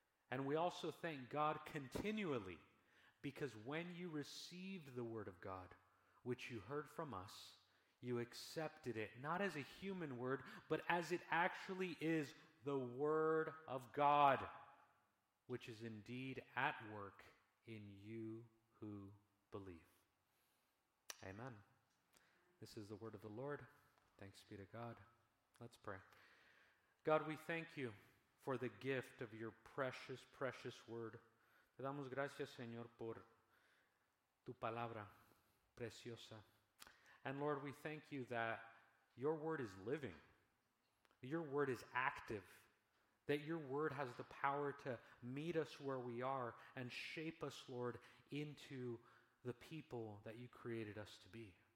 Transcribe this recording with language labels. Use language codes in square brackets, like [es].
[en] And we also thank God continually, because when you received the word of God, which you heard from us, you accepted it, not as a human word, but as it actually is, the word of God, which is indeed at work in you who believe. Amen. This is the word of the Lord. Thanks be to God. Let's pray. God, we thank you for the gift of your precious, precious word. [es] Te damos gracias, Señor, por tu palabra preciosa. [en] And Lord, we thank you that your word is living. Your word is active. That your word has the power to meet us where we are and shape us, Lord, into the people that you created us to be.